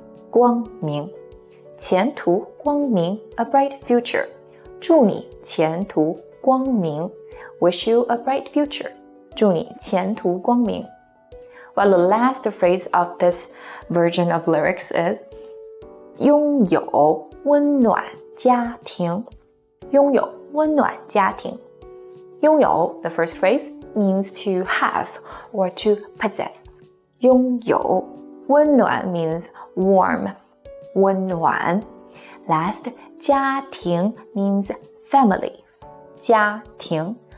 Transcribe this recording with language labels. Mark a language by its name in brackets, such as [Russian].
[Chinese] 光明前途光明 [English] a bright future. [Chinese] 祝你前途光明 [English] wish you a bright future. [Chinese] 祝你前途光明 [English] Well, the last phrase of this version of lyrics is [Chinese] 拥有温暖家庭拥有温暖家庭 [English] 拥有 the first phrase means to have or to possess. [Chinese] 拥有 [English] 温暖 means warm, [Chinese] 温暖 [English] Last, 家庭 means family, [Chinese] 家庭